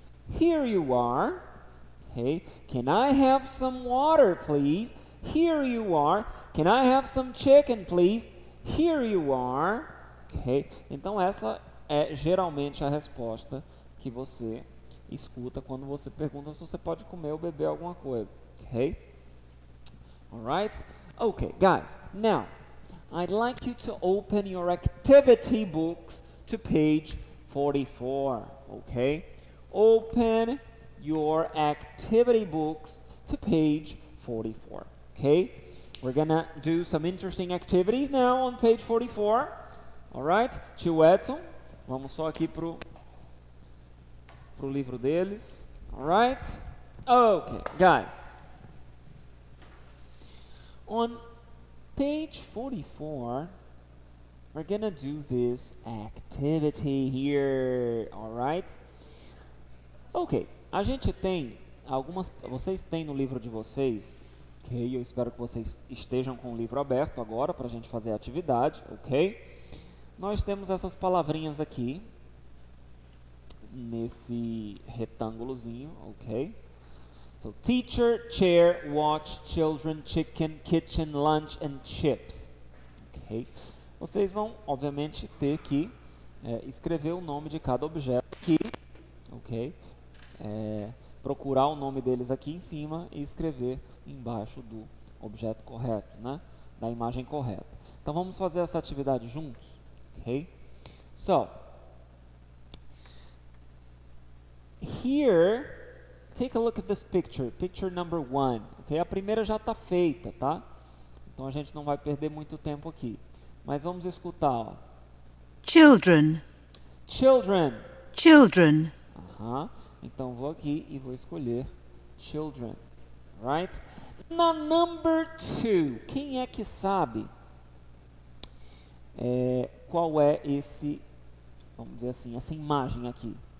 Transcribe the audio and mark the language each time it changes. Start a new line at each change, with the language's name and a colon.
English: Here you are. Okay. Can I have some water, please? Here you are. Can I have some chicken, please? Here you are. Okay.
Portuguese: Então, essa é geralmente a resposta que você escuta quando você pergunta se você pode comer ou beber alguma coisa.
English: Okay. All right. Okay, guys, now, I'd like you to open your activity books to page 44, okay? Open your activity books to page 44, okay? We're gonna do some interesting activities now on page 44. All right,
Portuguese: tio Edson, vamos só aqui pro livro deles.
English: All right, okay, guys. On page 44, we're gonna do this activity here, all right?
Portuguese: Okay, a gente tem algumas, vocês têm no livro de vocês, ok? Eu espero que vocês estejam com o livro aberto agora pra gente fazer a atividade, ok? Nós temos essas palavrinhas aqui, nesse retângulozinho, ok?
English: So, teacher, chair, watch, children, chicken, kitchen, lunch, and chips.
Portuguese: Ok? Vocês vão, obviamente, ter que escrever o nome de cada objeto aqui, ok? Procurar o nome deles aqui em cima e escrever embaixo do objeto correto, né? Da imagem correta. Então, vamos fazer essa atividade juntos, ok?
English: So, here... Take a look at this picture, picture number one. Okay?
Portuguese: A primeira já está feita, tá? Então a gente não vai perder muito tempo aqui. Mas vamos escutar. Ó.
English: Children. Children. Children.
Portuguese: Uh-huh. Então vou aqui e vou escolher children.
English: Right?
Portuguese: Na
English: number two,
Portuguese: quem é que sabe qual é esse, vamos dizer assim, essa imagem aqui?